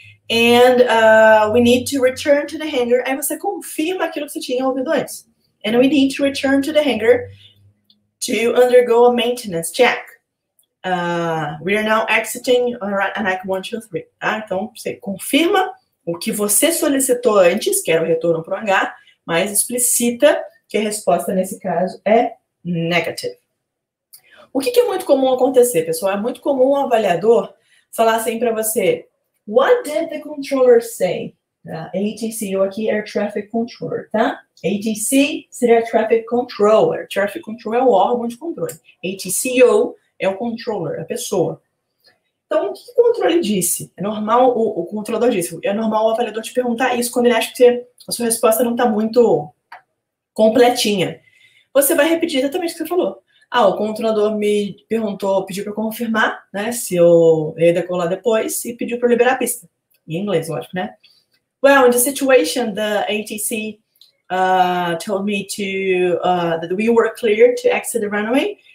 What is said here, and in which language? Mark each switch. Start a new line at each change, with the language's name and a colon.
English: And we need to return to the hangar.
Portuguese: Aí você confirma aquilo que você tinha ouvido antes.
English: And we need to return to the hangar to undergo a maintenance check. We are now exiting ANAC 123.
Portuguese: Tá? Então, você confirma o que você solicitou antes, que era o retorno para o hangar, mas explicita que a resposta, nesse caso, é negative. O que é muito comum acontecer, pessoal? É muito comum o avaliador falar assim para você,
English: what did the controller say?
Portuguese: ATC, ou aqui, Air Traffic Controller, tá? ATC seria Traffic Controller. Traffic Controller é o órgão de controle. ATCO é o controller, a pessoa. Então, o que o controle disse? É normal, o controlador disse, é normal o avaliador te perguntar isso quando ele acha que a sua resposta não está muito completinha. Você vai repetir exatamente o que você falou. Ah, o controlador me perguntou, pediu para confirmar, né, se eu ia decolar depois e pediu para liberar a pista. Em inglês, lógico, né?
English: Well, in the situation, the ATC told me to that we were clear to exit the runway.